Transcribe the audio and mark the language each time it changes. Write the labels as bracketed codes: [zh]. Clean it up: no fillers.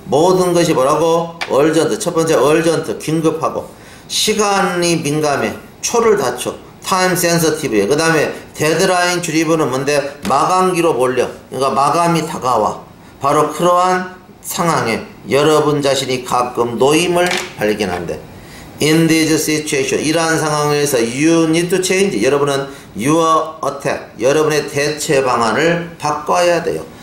[ko] 모든 것이 뭐라고? [en] urgent. [ko] 첫 번째, urgent. 긴급하고. 시간이 민감해. 초를 다쳐. [en] time sensitive. [ko] 그 다음에, [en] deadline driven [ko] 은 뭔데? 마감기로 몰려. 그러니까 마감이 다가와. 바로 그러한 상황에 여러분 자신이 가끔 놓임을 발견한대. [en] In this situation, [ko] 이러한 상황에서 [en] you need to change. [ko] 여러분은 [en] your attack, [ko] 여러분의 대처 방안을 바꿔야 돼요.